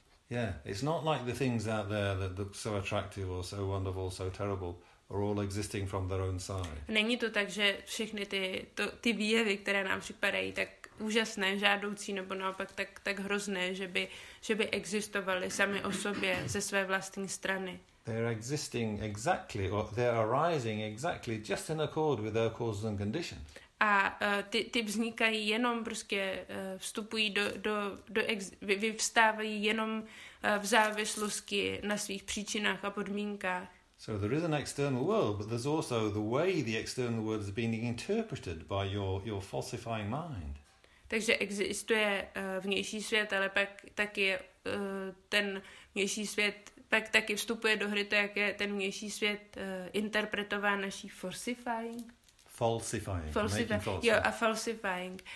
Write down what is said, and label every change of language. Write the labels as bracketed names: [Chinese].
[English] Yeah, it's not like the things out there that look so attractive or so wonderful, so terrible, are all existing from their own side. [Czech] Není to tak, že všechny ty výjevy, které nám připadají tak úžasné, žádoucí, nebo naopak tak hrozné, že by existovaly sami o sobě ze své vlastní strany. [English] They are existing exactly, or they are arising exactly, just in accord with their causes and conditions. [Czech] A ty vznikají jenom prostě vstupují vyvstávají jenom v závislosti na svých příčinách a podmínkách. [English] So there is an external world, but there's also the way the external world is being interpreted by your falsifying mind. [Czech] Takže existuje vnější svět, ale pak taky ten vnější svět pak taky vstupuje do hry to, jak je ten vnější svět interpretován naší [English] falsifying.